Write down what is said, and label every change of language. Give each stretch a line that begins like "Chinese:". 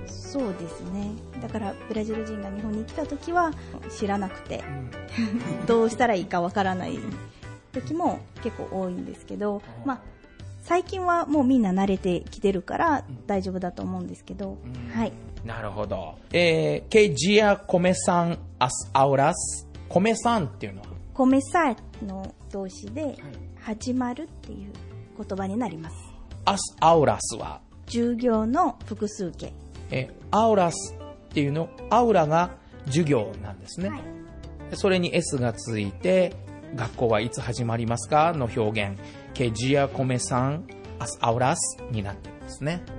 Japanese: そうですね。だからブラジル人が日本に来た時は知らなくて、うん、どうしたらいいかわからない時も結構多いんですけど、うん、まあ最近はもうみんな慣れてきてるから大丈夫だと思うんですけど、うん、はい。なるほど。
Portuguese: Que dia começam as aulas?
Japanese: Começar っていうのは Começar の動詞で始まるっていう言葉になります。
Portuguese: As aulas は
Japanese: 授業の複数形。 Aulas っていうの、アウラが授業なんですね、はい、それに S がついて、学校はいつ始まりますかの表現、ケジアコメさんアスアウラスになっていますね。